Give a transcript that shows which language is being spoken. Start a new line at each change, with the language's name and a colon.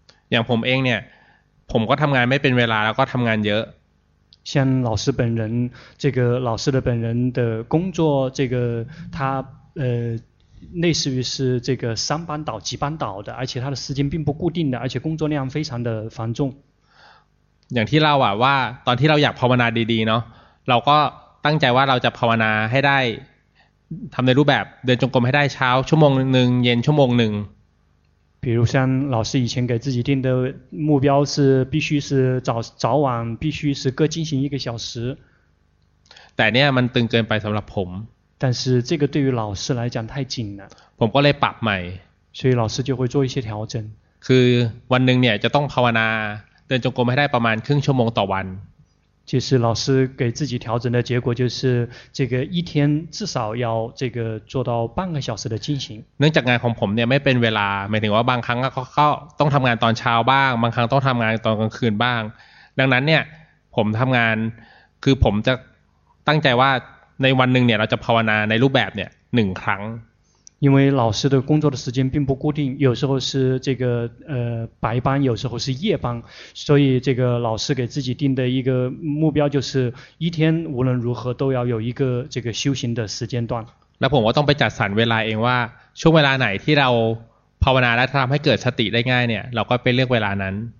Chinese: 像
Thai: ผมเองเนี่ยผมก็ทำงานไม่เป็นเวลาแล้วก็ทำงานเยอะ。
Chinese: 像老师本人，这个老师的本人的工作，这个他类似于是这个三班倒几班倒的，而且他的时间并不固定的，而且工作量非常的繁重。
Thai: อย่างที่เราว่าตอนที่เราอยากภาวนาดีๆเนาะเราก็ตั้งใจว่าเราจะภาวนาให้ได้ทำในรูปแบบเดินจงกรมให้ได้เช้าชั่วโมงหนึ่งเย็นชั่วโมงหนึ่ง
Chinese: 比如像老师以前给自己定的目标是必须是早晚必须是各进行一个小时
Thai: แต่เนี่ยมันตึงเกินไปสำหรับผม
Chinese: 但是这个对于老师来讲太紧了
Thai: ผมก็เลยปรับใหม่
Chinese: 所以老师就会做一些调整
Thai: คือวันหนึ่งเนี่ยจะต้องภาวนาเดินจงกรมให้ได้ประมาณครึ่งชั่วโมงต่อวัน
Chinese: 其实老师给自己调整的结果就是这个一天至少要这个做到半个小时的进行
Thai: เนื่องจากงานของผมเนี่ยไม่เป็นเวลาหมายถึงว่าบางครั้งก็ต้องทำงานตอนเช้าบ้างบางครั้งต้องทำงานตอนกลางคืนบ้างดังนั้นเนี่ยผมทำงานคือผมจะตั้งใจว่าในวันหนึ่งเนี่ยเราจะภาวนาในรูปแบบเนี่ยหนึ่งครั้ง
Chinese: 因为老师的工作的时间并不固定，有时候是这个白班，有时候是夜班，所以这个老师给自己定的一个目标就是一天无论如何都要有一个这个修行的时间段。那
Thai: ผมต้องไปจัดสรรเวลาเองว่าช่วงเวลาไหนที่เราภาวนาและทำให้เกิดสติได้ง่ายเนี่ยเราก็ไปเลือกเวลานั้น。